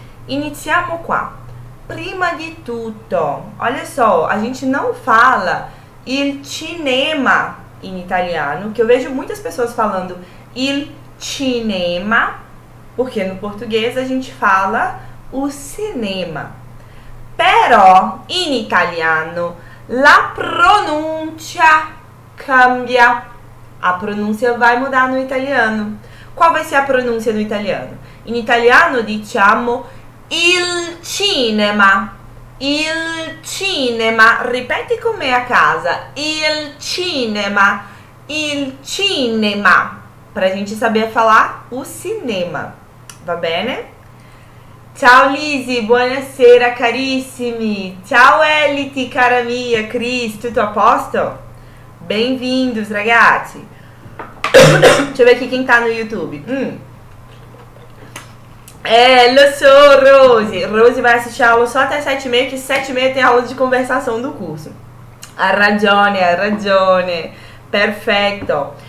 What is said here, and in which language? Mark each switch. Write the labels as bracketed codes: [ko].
[it] Iniziamo qua, prima di tutto, [pt] olha só, a gente não fala il cinema em italiano, que eu vejo muitas pessoas falando il cinema, porque no português a gente fala o cinema. [it] Però, in italiano, la pronuncia cambia. [pt] A pronúncia vai mudar no italiano. Qual vai ser a pronúncia no italiano? [it] In italiano diciamo il cinema. Il cinema. Ripete con me a casa. Il cinema. Il cinema. [pt] Pra gente saber falar o cinema, [it] va bene? Ciao Lizzy, buonasera carissimi! Ciao Eliti, cara mia, Cris, tutto a posto? [pt] Bem-vindos, ragazzi! Deixa eu ver aqui quem tá no YouTube. [it] Lo so, Rose! [pt] Rose vai assistir a aula só até 7h30, que 7h30 tem aula de conversação do curso. [it] Ha ragione, perfeito!